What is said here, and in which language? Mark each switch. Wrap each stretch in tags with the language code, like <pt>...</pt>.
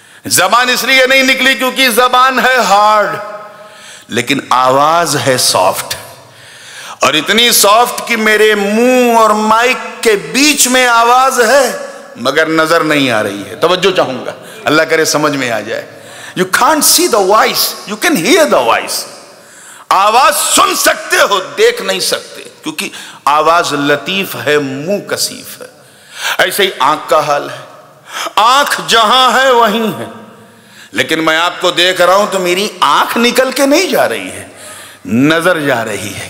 <ur>زبان اس لیے نہیں نکلی کیونکہ زبان ہے ہارڈ لیکن آواز ہے سافٹ, اور اتنی سافٹ کہ میرے منہ اور مائک کے بیچ میں آواز ہے مگر نظر نہیں آ رہی ہے. توجہ چاہوں گا, اللہ کرے سمجھ میں آ جائے.</ur> <en>You can't see the voice, you can hear the voice.</en> <ur>آواز سن سکتے ہو, دیکھ نہیں سکتے کیونکہ آواز لطیف ہے, منہ کثیف ہے. ایسے ہی آنکھ کا حال ہے, آنکھ جہاں ہے وہیں ہے, لیکن میں آپ کو دیکھ رہا ہوں تو میری آنکھ نکل کے نہیں جا رہی ہے, نظر جا رہی ہے.</ur>